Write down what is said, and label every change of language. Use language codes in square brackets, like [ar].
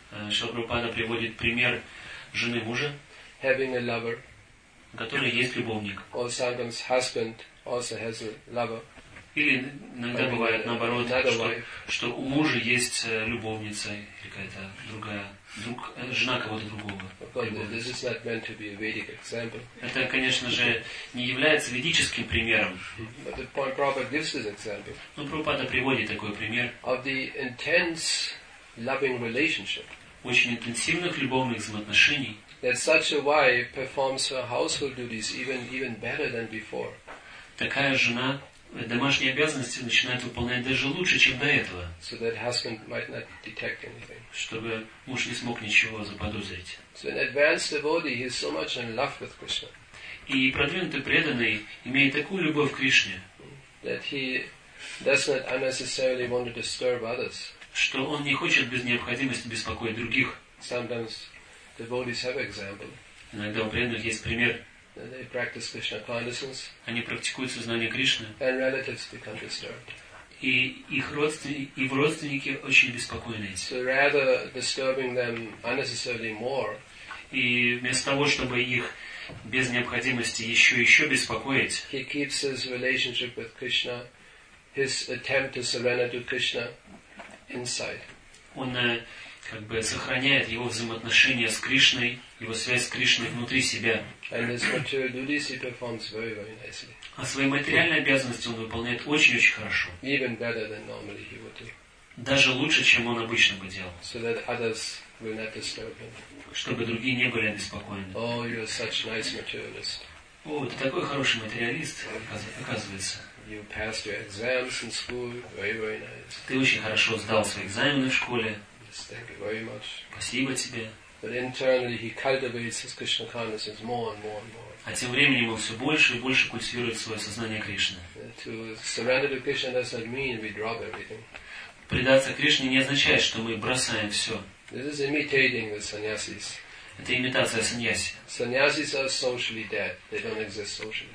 [ru] Шрила Прабхупада приводит пример жены мужа, [en] having a lover, [ru] у которой есть любовник. [en] Or sometimes husband also has a lover. [ru] Или иногда бывает наоборот, что у мужа есть любовница или какая-то другая. Друг, жена кого-то другого. [en] This is not meant to be a Vedic example. [ru] Это, конечно же, не является ведическим примером. [en] But the point Prabhupada gives this example. [ru] Но Прабхупада приводит такой пример. [en] Of the intense loving relationship. [ru] Очень интенсивных любовных взаимоотношений. [en] That such a wife performs her household duties even better than before. [ru] Такая жена домашние обязанности начинает выполнять даже лучше, чем до этого. [en] So that husband might not detect anything. [ru] Чтобы муж не смог ничего заподозрить. [en] So an advanced devotee, he's so much in love with Krishna. [ru] И продвинутый преданный имеет такую любовь к Кришне. [en] That he does not unnecessarily want to disturb others. [ru] Что он не хочет без необходимости беспокоить других. [en] Sometimes devotees have example. [ru] Иногда у преданных есть пример. [en] They practice Krishna consciousness. [ru] Они практикуют сознание Кришны. [en] And relatives become disturbed. [ru] И их родственники очень беспокоены. [en] So rather disturbing them unnecessarily more. [ru] И вместо того, чтобы их без необходимости еще беспокоить. [en] He keeps his relationship with Krishna, his attempt to surrender to Krishna, inside. [ru] Он как бы сохраняет его взаимоотношения с Кришной, его связь с Кришной внутри себя. [en] And his material duties he performs very, very nicely. [ru] А свои материальные обязанности он выполняет очень-очень хорошо. [en] Even better than normally he would do. [ru] даже лучше, чем он обычно бы делал. [en] So that others will not disturb him. [ru] Чтобы другие не были обеспокоены. [en] Oh, you are such nice materialist. [ru] О, ты такой хороший материалист, оказывается. [en] You passed your exams in school, very, very nice. [ru] Ты очень хорошо сдал свои экзамены в школе. [en] Yes, thank you very much. [ru] Спасибо тебе. [en] But internally he cultivates his Krishna consciousness more and more and more. [ru] А тем временем он все больше и больше культивирует свое сознание Кришны. [en] To surrender to Krishna doesn't mean we drop everything. [ru] Предаться Кришне не означает, что мы бросаем все. [en] This is imitating the sannyasis. [ru] Это имитация саньяси. [en] Sannyasis are socially dead. They don't exist socially.